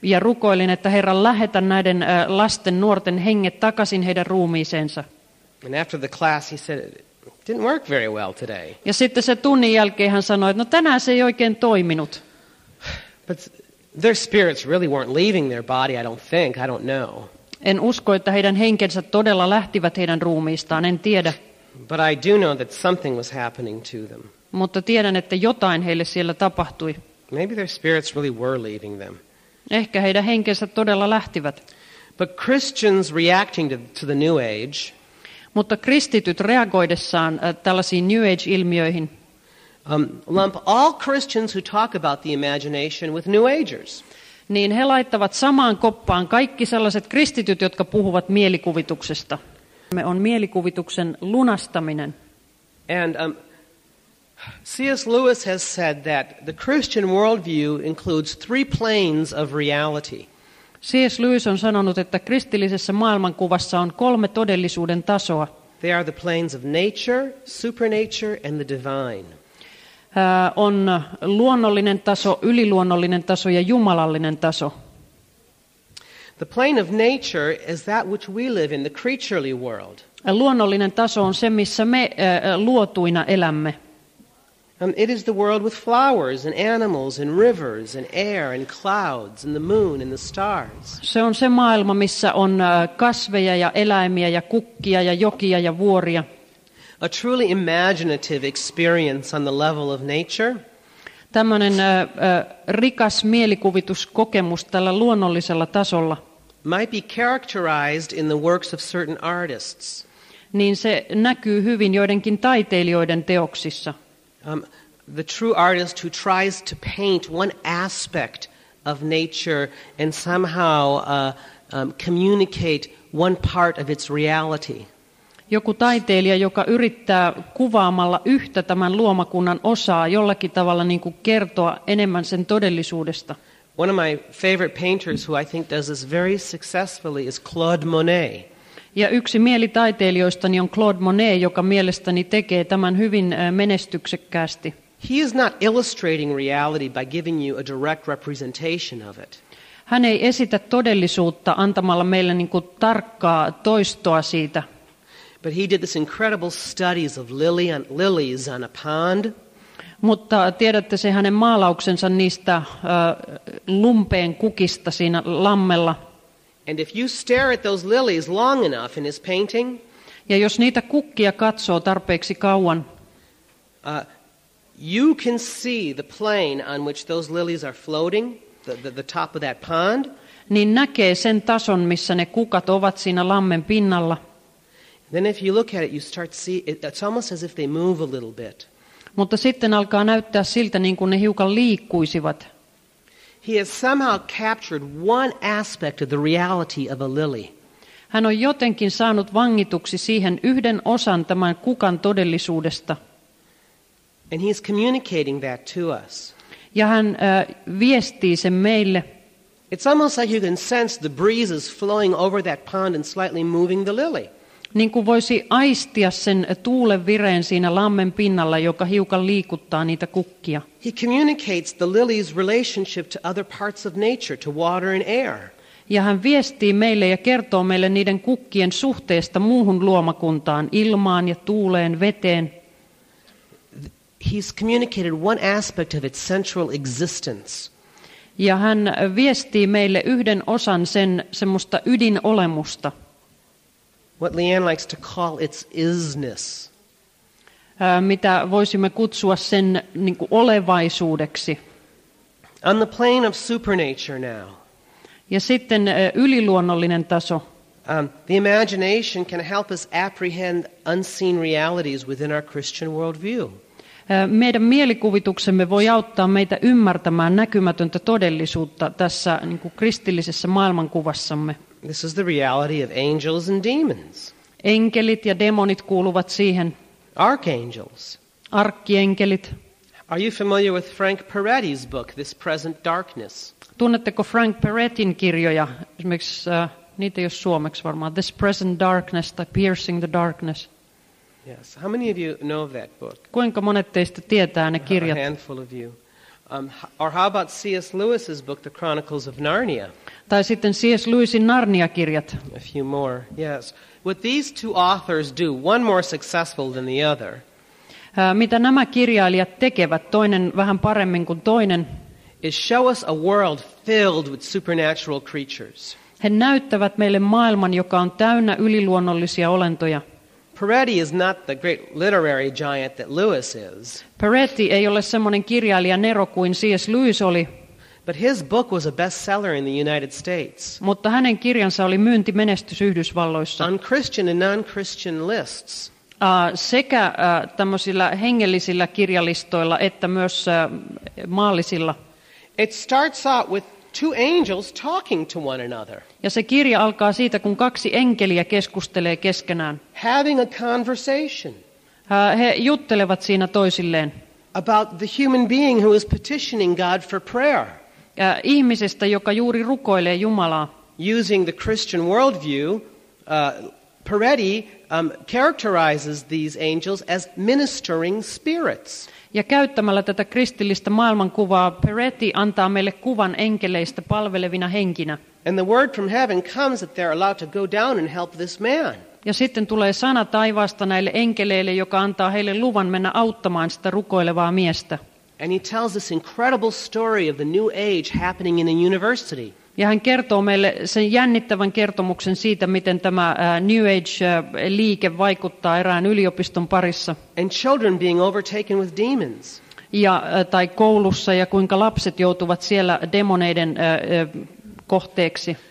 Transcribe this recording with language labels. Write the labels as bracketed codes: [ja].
[fi] Ja rukoilin, että Herra, lähetä näiden lasten nuorten henget takaisin heidän ruumiiseensa. [en] And after the class he said it didn't work very well today. [fi] Ja sitten se tunnin jälkeen hän sanoi, että no tänään se ei oikein toiminut. [en] But their spirits really weren't leaving their body, I don't think, I don't know. [fi] En usko, että heidän henkensä todella lähtivät heidän ruumiistaan, en tiedä. [en] But I do know that something was happening to them. [fi] Mutta tiedän, että jotain heille siellä tapahtui. [en] Maybe their spirits really were leaving them. [fi] Ehkä heidän henkensä todella lähtivät. [en] But Christians reacting to the New Age. [fi] Mutta kristityt reagoidessaan tällaisiin New Age-ilmiöihin. [en] Lump all Christians who talk about the imagination with New Agers. [fi] Niin he laittavat samaan koppaan kaikki sellaiset kristityt, jotka puhuvat mielikuvituksesta. Me on mielikuvituksen lunastaminen. [en] And C.S. Lewis has said that the Christian worldview includes three planes of reality. [fi] C.S. Lewis on sanonut, että kristillisessä maailmankuvassa on kolme todellisuuden tasoa. [en] They are the planes of nature, supernature and the divine. [fi] On luonnollinen taso, yliluonnollinen taso ja jumalallinen taso. [en] The plane of nature is that which we live in, the creaturely world. [fi] Luonnollinen taso on se, missä me luotuina elämme. [en] It is the world with flowers and animals and rivers and air and clouds and the moon and the stars. [fi] Se on se maailma, missä on kasveja ja eläimiä ja kukkia ja jokia ja vuoria. [en] A truly imaginative experience on the level of nature. [fi] Tällainen rikas mielikuvituskokemus tällä luonnollisella tasolla. [en] Might be characterized in the works of certain artists. [fi] Niin se näkyy hyvin joidenkin taiteilijoiden teoksissa. [en] The true artist who tries to paint one aspect of nature and somehow communicate one part of its reality. [fi] Joku taiteilija, joka yrittää kuvaamalla yhtä tämän luomakunnan osaa jollakin tavalla niin kuin kertoa enemmän sen todellisuudesta. [en] One of my favorite painters who I think does this very successfully is Claude Monet. [fi] Ja yksi mielitaiteilijoistani on Claude Monet, joka mielestäni tekee tämän hyvin menestyksekkäästi. [en] He is not illustrating reality by giving you a direct representation of it. [fi] Hän ei esitä todellisuutta antamalla meille niin kuin tarkkaa toistoa siitä. [en] But he did this incredible studies of lilies on a pond. [fi] Mutta tiedätte se hänen maalauksensa niistä lumpeen kukista siinä lammella. [en] And if you stare at those lilies long enough in his painting, [fi] ja jos niitä kukkia katsoo tarpeeksi kauan, [en] you can see the plane on which those lilies are floating, the top of that pond. [fi] Niin näkee sen tason, missä ne kukat ovat siinä lammen pinnalla. [en] Then if you look at it, you start see it's almost as if they move a little bit. [fi] Mutta sitten alkaa näyttää siltä, niin kuin ne hiukan liikkuisivat. [en] He has somehow captured one aspect of the reality of a lily. [fi] Hän on jotenkin saanut vangituksi siihen yhden osan tämän kukan todellisuudesta. [en] And he is communicating that to us. [fi] Ja hän viestii sen meille. [en] It's almost like you can sense the breezes flowing over that pond and slightly moving the lily. [fi] Niin kuin voisi aistia sen tuulen vireen siinä lammen pinnalla, joka hiukan liikuttaa niitä kukkia. [en] He communicates the lily's relationship to other parts of nature, to water and air. [fi] Ja hän viestii meille ja kertoo meille niiden kukkien suhteesta muuhun luomakuntaan, ilmaan ja tuuleen, veteen. [en] He's communicated one aspect of its central existence. [fi] Ja hän viestii meille yhden osan sen semmoista ydinolemusta. [en] What Leanne likes to call its isness. [fi] Mitä voisimme kutsua sen niin kuin olevaisuudeksi. [en] On the plane of supernature now. [fi] Ja sitten yliluonnollinen taso. [en] The imagination can help us apprehend unseen realities within our Christian worldview. [fi] Meidän mielikuvituksemme voi auttaa meitä ymmärtämään näkymätöntä todellisuutta tässä niin kuin kristillisessä maailmankuvassamme. [en] This is the reality of angels and demons. [fi] Enkelit ja demonit kuuluvat siihen. [en] Archangels. [fi] Arkkienkelit. [en] Are you familiar with Frank Peretti's book, This Present Darkness? [fi] Tunnetteko Frank Perettin kirjoja? Esimerkiksi niitä ei ole suomeksi varmaan. This Present Darkness tai Piercing the Darkness. [en] Yes. How many of you know that book? [fi] Kuinka monet teistä tietää ne kirjat? [en] A handful of you. Or how about C.S. Lewis's book, The Chronicles of Narnia? [fi] Tai sitten C.S. Lewisin Narnia-kirjat. [en] A few more, yes. What these two authors do, one more successful than the other. [fi] Mitä nämä kirjailijat tekevät, toinen vähän paremmin kuin toinen. [en] Is show us a world filled with supernatural creatures. [fi] He näyttävät meille maailman, joka on täynnä yliluonnollisia olentoja. [en] Peretti is not the great literary giant that Lewis is. [fi] Peretti ei ole semmoinen kirjailija nero kuin C.S. Lewis oli. [en] But his book was a bestseller in the United States. [fi] Mutta hänen kirjansa oli myyntimenestys Yhdysvalloissa. [en] On Christian and non-Christian lists. [fi] Sekä tämmöisillä hengellisillä kirjalistoilla että myös maallisilla. [en] It starts out with two angels talking to one another. [fi] Ja se kirja alkaa siitä, kun kaksi enkeliä keskustelee keskenään. [en] Having a conversation. [fi] He juttelevat siinä toisilleen. [en] About the human being who is petitioning God for prayer. [fi] Ihmisestä, joka juuri rukoilee Jumalaa. [en] Using the Christian worldview, Peretti characterizes these angels as ministering spirits. [fi] Ja käyttämällä tätä kristillistä maailmankuvaa, Peretti antaa meille kuvan enkeleistä palvelevina henkinä. [en] And the word from heaven comes that they're allowed to go down and help this man. [fi] Ja sitten tulee sana taivaasta näille enkeleille, joka antaa heille luvan mennä auttamaan sitä rukoilevaa miestä. [en] And he tells this incredible story of the new age happening in a university. [fi] Ja hän kertoo meille sen jännittävän kertomuksen siitä, miten tämä New Age-liike vaikuttaa erään yliopiston parissa. [en] And children being overtaken with demons. [fi] Ja, tai koulussa, ja kuinka lapset joutuvat siellä demoneiden kohteeksi.